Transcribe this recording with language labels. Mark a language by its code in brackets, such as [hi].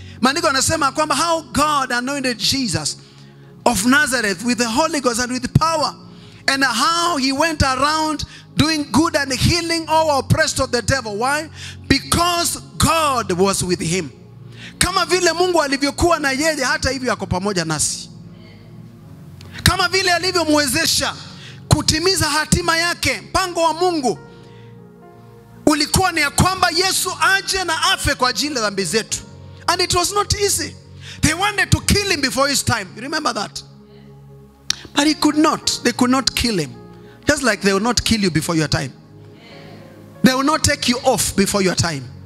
[sw] Maandiko anasema kwamba [en] how God anointed Jesus of Nazareth with the Holy Ghost and with power. And how he went around doing good and healing all oppressed of the devil. Why? Because God was with him. [sw] Kama vile Mungu alivyokuwa na yeye, hata hivyo yako pamoja nasi. Kama vile alivyomwezesha kutimiza hatima yake, mpango wa Mungu ulikuwa ni ya kwamba Yesu aje na afe kwa ajili ya dhambi zetu. [en] And it was not easy. They wanted to kill him before his time. You remember that? But he could not. They could not kill him. Just like they will not kill you before your time. They will not take you off before your time.